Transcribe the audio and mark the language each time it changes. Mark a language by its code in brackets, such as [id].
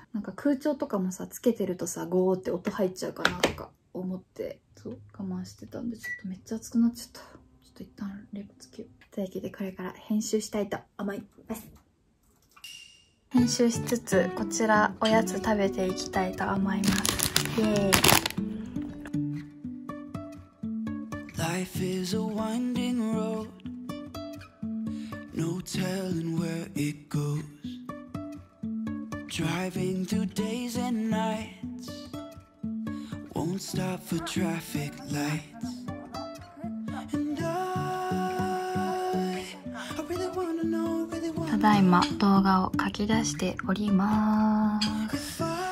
[ja] なんか空調とかもさ、つけてるとさ、ゴーって音入っちゃうかなとか思って、そう我慢してたんで、ちょっとめっちゃ暑くなっちゃった。ちょっと一旦レポつけよう。というわけでこれから編集したいと思います。編集しつつこちらおやつ食べていきたいと思います。イエーイ。 [en] Life is a winding road, no telling where it goes. Driving through days and nights, won't stop for traffic lights. And I really wanna know, really wanna know. [ja] ただいま動画を書き出しております。